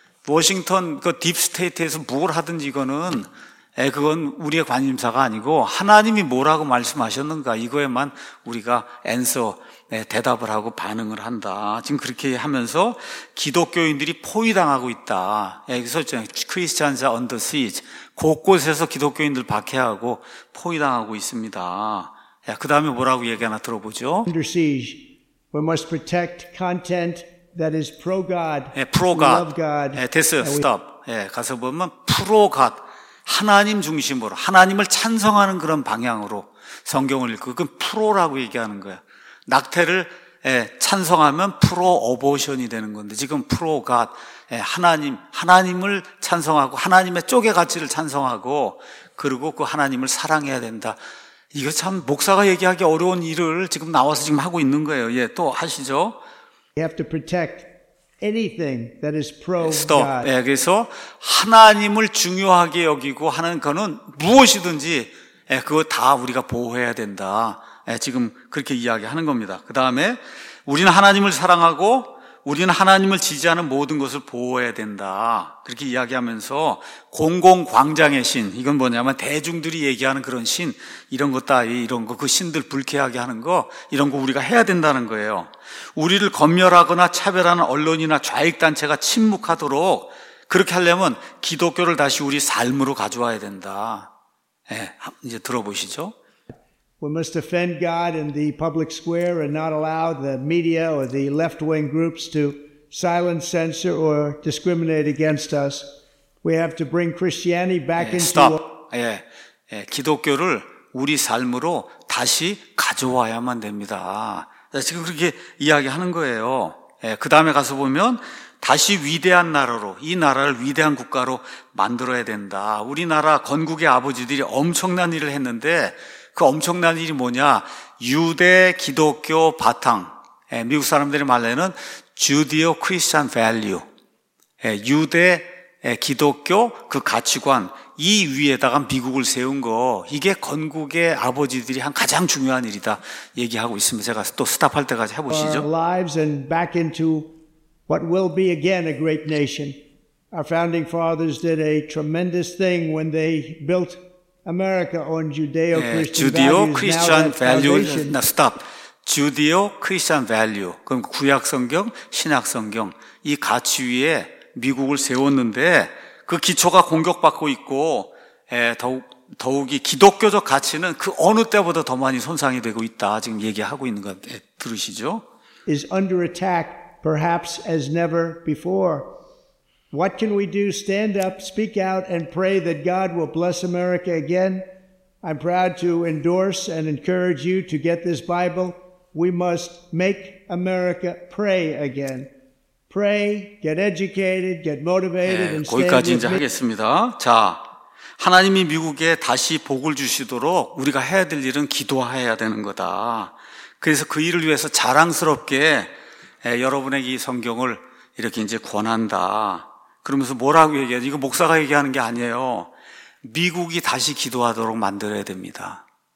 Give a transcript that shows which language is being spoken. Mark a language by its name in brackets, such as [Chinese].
[Korean] 워싱턴 그 딥스테이트에서 뭘 하든지 이거는 그건 우리의 관심사가 아니고 하나님이 뭐라고 말씀하셨는가 이거에만 우리가 answer 대답을 하고 반응을 한다. 지금 그렇게 하면서 기독교인들이 포위당하고 있다. 여기서 [English] Christians are under siege. [Korean] 곳곳에서 기독교인들 박해하고 포위당하고 있습니다. 그 다음에 뭐라고 얘기하나 들어보죠. [English] Under siege. We must protect content that is pro-God. Pro-God. Love God. Stop. [Korean] 가서 보면 pro-God. 하나님 중심으로 하나님을 찬성하는 그런 방향으로 성경을 읽고 그건 프로라고 얘기하는 거야. 낙태를 찬성하면 프로 어보션이 되는 건데 지금 프로 갓 하나님을 찬성하고 하나님의 쪽의 가치를 찬성하고 그리고 그 하나님을 사랑해야 된다. 이거 참 목사가 얘기하기 어려운 일을 지금 나와서 지금 하고 있는 거예요. 예, 또 하시죠. [English] You have to protect anything that is pro God. [Korean] 그래서 하나님을 중요하게 여기고 하는 거는 무엇이든지 그거 다 우리가 보호해야 된다. 지금 그렇게 이야기하는 겁니다. 그 다음에 우리는 하나님을 사랑하고 우리는 하나님을 지지하는 모든 것을 보호해야 된다. 그렇게 이야기하면서 공공광장의 신, 이건 뭐냐면 대중들이 얘기하는 그런 신, 이런 것 따위, 이런 거, 그 신들 불쾌하게 하는 거, 이런 거 우리가 해야 된다는 거예요. 우리를 검열하거나 차별하는 언론이나 좌익단체가 침묵하도록 그렇게 하려면 기독교를 다시 우리 삶으로 가져와야 된다. 이제 들어보시죠. [English] We must defend God in the public square and not allow the media or the left-wing groups to silence, censor, or discriminate against us. We have to bring Christianity back into our... [Korean] 기독교를 우리 삶으로 다시 가져와야만 됩니다. 지금 그렇게 이야기하는 거예요. 그 다음에 가서 보면 다시 위대한 나라로 이 나라를 위대한 국가로 만들어야 된다. 우리나라 건국의 아버지들이 엄청난 일을 했는데 그 엄청난 일이 뭐냐? 유대 기독교 바탕. 미국 사람들이 말하는 [English] Judeo Christian value. [Korean] 유대 기독교 그 가치관 이 위에다가 미국을 세운 거. 이게 건국의 아버지들이 한 가장 중요한 일이다 얘기하고 있습니다. 제가 또 스탑할 때까지 해 보시죠. [English] Lives and back into what will be again a great nation. Our founding fathers did a tremendous thing when they built America on Judeo-Christian values. Now stop. Judeo-Christian value. [Korean] 그럼 구약 성경, 신약 성경 이 가치 위에 미국을 세웠는데 그 기초가 공격받고 있고 더욱이 기독교적 가치는 그 어느 때보다 더 많이 손상이 되고 있다. 지금 얘기하고 있는 것 들으시죠? [English] Is under attack perhaps as never before. What can we do? Stand up, speak out, and pray that God will bless America again. I'm proud to endorse and encourage you to get this Bible. We must make America pray again. Pray, get educated, get motivated, and stand with me. [Korean] 거기까지 이제 하겠습니다. 자, 하나님이 미국에 다시 복을 주시도록 우리가 해야 될 일은 기도해야 되는 거다. 그래서 그 일을 위해서 자랑스럽게 여러분에게 이 성경을 이렇게 이제 권한다. 그러면서 뭐라고 얘기하지? 이거 목사가 얘기하는 게 아니에요. 미국이 다시 기도하도록 만들어야 됩니다.